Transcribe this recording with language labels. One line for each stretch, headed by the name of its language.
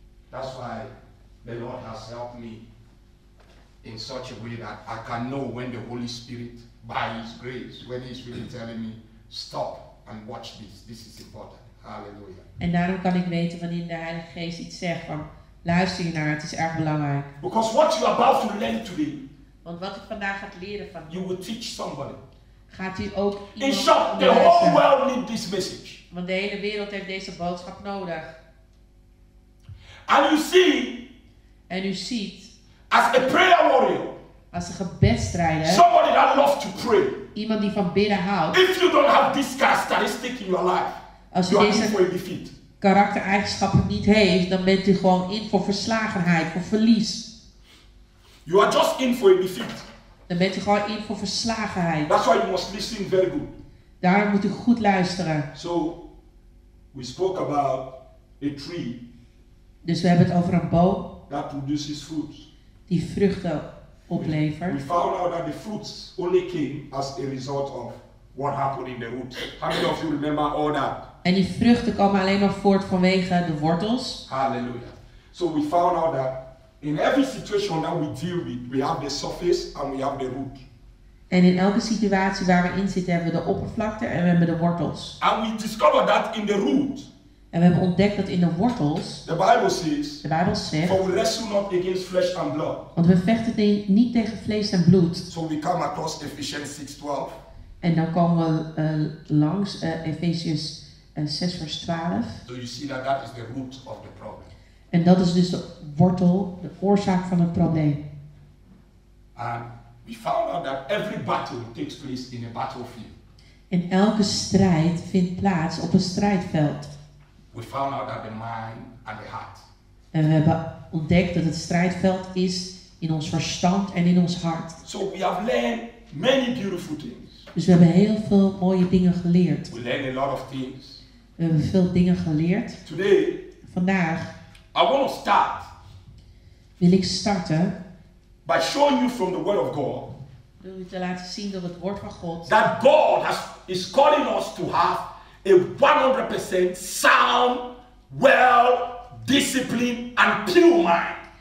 English: That's why the Lord has helped me in such a way that I can know when the Holy Spirit, by His grace, when He's really telling me, stop and watch this. This is important. Hallelujah.
Dutch: En daarom kan ik weten wanneer de Heilige Geest iets zegt van, luister je naar, het is erg belangrijk.
English: Because what you are about to learn today.
Dutch: Want wat u vandaag gaat leren van.
English: You will teach somebody.
Dutch: Gaat u ook iemand.
English: In short, the whole world needs this message.
Dutch: Want de hele wereld heeft deze boodschap nodig.
English: And you see.
Dutch: En u ziet.
English: As a prayer warrior.
Dutch: Als een gebedstrijder.
English: Somebody that loves to pray.
Dutch: Iemand die van bidden houdt.
English: If you don't have this characteristic in your life.
Dutch: Als
English: you are in for a defeat.
Dutch: Karaktereigenschappen niet heeft, dan bent u gewoon in voor verslagenheid, voor verlies.
English: You are just in for a defeat.
Dutch: Dan bent u gewoon in voor verslagenheid.
English: That's why you must listen very good.
Dutch: Daarom moet u goed luisteren.
English: So, we spoke about a tree.
Dutch: Dus we hebben het over een boom.
English: That produces fruits.
Dutch: Die vruchten oplevert.
English: We found out that the fruits only came as a result of what happened in the root. How many of you remember all that?
Dutch: En die vruchten komen alleen maar voort vanwege de wortels. Halleluja.
English: So we found out that in every situation that we deal with, we have the surface and we have the root.
Dutch: En in elke situatie waar we in zitten, hebben we de oppervlakte en we hebben de wortels.
English: And we discovered that in the root.
Dutch: En we hebben ontdekt dat in de wortels.
English: The Bible says.
Dutch: De Bijbel zegt.
English: For we wrestle not against flesh and blood.
Dutch: Want we vechten niet tegen vlees en bloed.
English: So we come across Ephesians 6:12.
Dutch: En dan komen we langs Ephesians 6 vers 12.
English: So you see that that is the root of the problem.
Dutch: En dat is dus de wortel, de oorzaak van het probleem.
English: And we found out that every battle takes place in a battlefield.
Dutch: En elke strijd vindt plaats op een strijdveld.
English: We found out that the mind and the heart.
Dutch: En we hebben ontdekt dat het strijdveld is in ons verstand en in ons hart.
English: So we have learned many beautiful things.
Dutch: Dus we hebben heel veel mooie dingen geleerd.
English: We learned a lot of things.
Dutch: We hebben veel dingen geleerd.
English: Today,
Dutch: vandaag.
English: I want to start.
Dutch: Wil ik starten.
English: By showing you from the word of God.
Dutch: Door u te laten zien door het woord van God.
English: That God is calling us to have a 100% sound, well, disciplined and pure mind.